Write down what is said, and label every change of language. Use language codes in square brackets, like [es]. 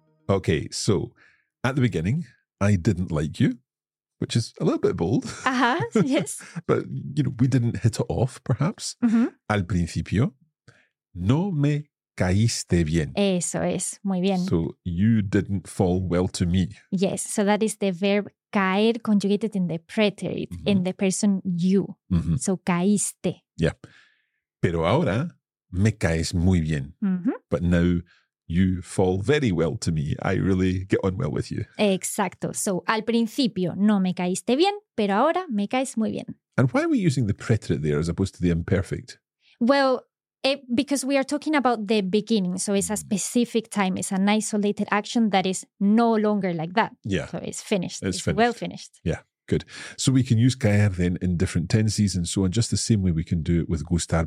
[en] Okay, so at the beginning, I didn't like you, which is a little bit bold. Uh-huh, yes. But, you know, we didn't hit it off, perhaps. Mm-hmm. [es] Al principio, no me caíste bien. Eso es, muy bien. [en] So you didn't fall well to me. Yes, so that is the verb caer conjugated in the preterite, mm-hmm. in the person you. Mm-hmm. So caíste. Yeah. [es] Pero ahora me caes muy bien. Mm-hmm. [en] But now you fall very well to me. I really get on well with you. [es] Exacto. So al principio no me caíste bien, pero ahora me caes muy bien. [en] And why are we using the preterite there as opposed to the imperfect? Well, because we are talking about the beginning. So it's a specific time. It's an isolated action that is no longer like that. Yeah. So it's finished. It's finished. Well finished. Yeah, good. So we can use caer then in different tenses and so on, just the same way we can do it with gustar.